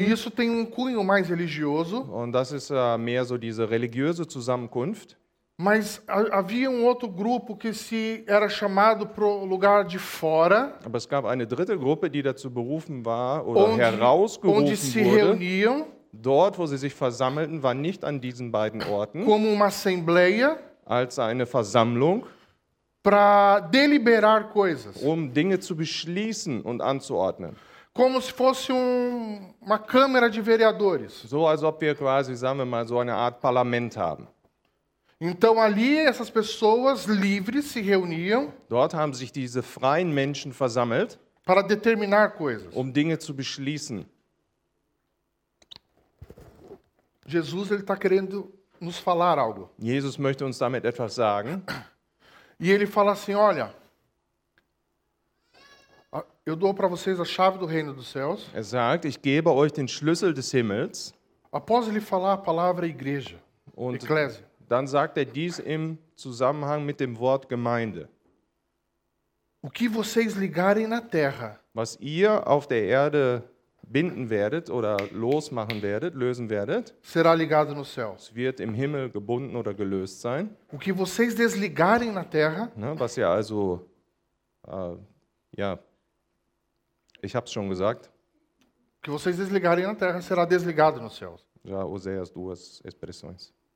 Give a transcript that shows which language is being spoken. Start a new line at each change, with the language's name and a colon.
Portuguese: E isso tem cunho mais religioso.
German: Und das ist mehr so diese religiöse Zusammenkunft.
Portuguese: Mas havia outro grupo que se era chamado pro lugar de fora.
German: Aber es gab eine dritte Gruppe, die dazu berufen war oder onde, herausgerufen wurde.
Portuguese: Onde se reuniam.
German: Dort, wo sie sich versammelten, war nicht an diesen beiden Orten.
Portuguese: Como uma assembleia.
German: Als eine Versammlung.
Portuguese: Para deliberar coisas.
German: Dinge zu beschließen und anzuordnen.
Portuguese: Como se fosse uma câmara de vereadores.
German: So als ob wir quasi, sagen wir mal, so eine Art Parlament haben.
Portuguese: Então ali essas pessoas livres se reuniam.
German: Dort haben sich diese freien Menschen versammelt.
Portuguese: Para determinar coisas.
German: Dinge zu beschließen.
Portuguese: Jesus ele está querendo nos falar algo.
German: Jesus möchte uns damit etwas sagen.
Portuguese: E ele fala assim, olha, eu dou para vocês a chave do reino dos céus.
German: Er sagt, ich gebe euch den Schlüssel des Himmels.
Portuguese: Após ele falar a palavra igreja,
German: und Ecclesia. Dann sagt er dies im Zusammenhang mit dem Wort Gemeinde.
Portuguese: O que vocês ligarem na terra,
German: was ihr auf der Erde binden werdet oder losmachen werdet, lösen werdet,
Portuguese: será ligado no céu.
German: Es wird im Himmel gebunden oder gelöst sein.
Portuguese: O que vocês desligarem na terra,
German: ne, was ihr also, ja, ich habe es schon gesagt.
Portuguese: O que vocês desligarem na terra, será desligado no céu. Já usei as duas expressões.